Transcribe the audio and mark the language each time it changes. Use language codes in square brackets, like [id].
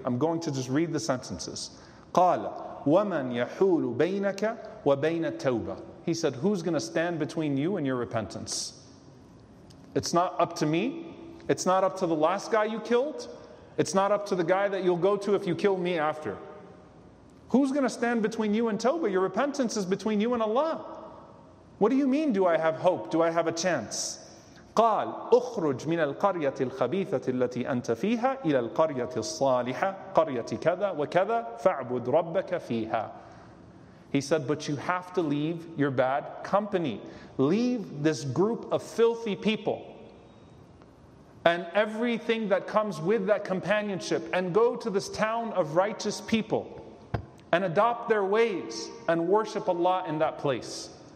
[en] I'm going to just read the sentences. [ar] قَالَ وَمَنْ يَحُولُ بَيْنَكَ وَبَيْنَ التَّوْبَةِ [en] He said, who's going to stand between you and your repentance? It's not up to me. It's not up to the last guy you killed. It's not up to the guy that you'll go to if you kill me after. Who's going to stand between you and Tawbah? Your repentance is between you and Allah. What do you mean, do I have hope? Do I have a chance? [ar] قال أخرج من القرية الخبيثة التي أنت فيها إلى القرية الصالحة قرية كذا وكذا فاعبد ربك فيها. [en] He said, but you have to leave your bad company. Leave this group of filthy people and everything that comes with that companionship and go to this town of righteous people and adopt their ways and worship Allah in that place.